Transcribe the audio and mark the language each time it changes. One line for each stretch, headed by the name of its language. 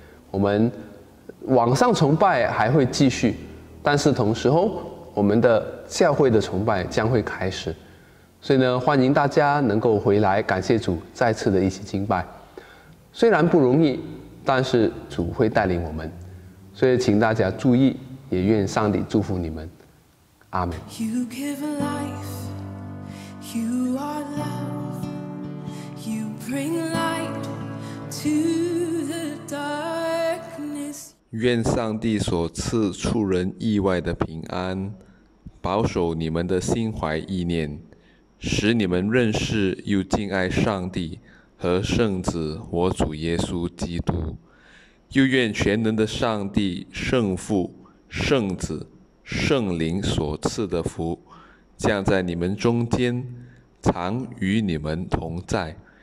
Chinese: 我们网上崇拜还会继续，但是同时候我们的教会的崇拜将会开始。所以呢，欢迎大家能够回来，感谢主再次的一起敬拜。虽然不容易，但是主会带领我们。所以请大家注意，也愿上帝祝福你们。阿们。
English: You give life, you are love, you bring light to the darkness.
Chinese: 愿上帝所赐出人意外的平安，保守你们的心怀意念，使你们认识又敬爱上帝和圣子我主耶稣基督。又愿全能的上帝、圣父、圣子、圣灵所赐的福降在你们中间，常与你们同在。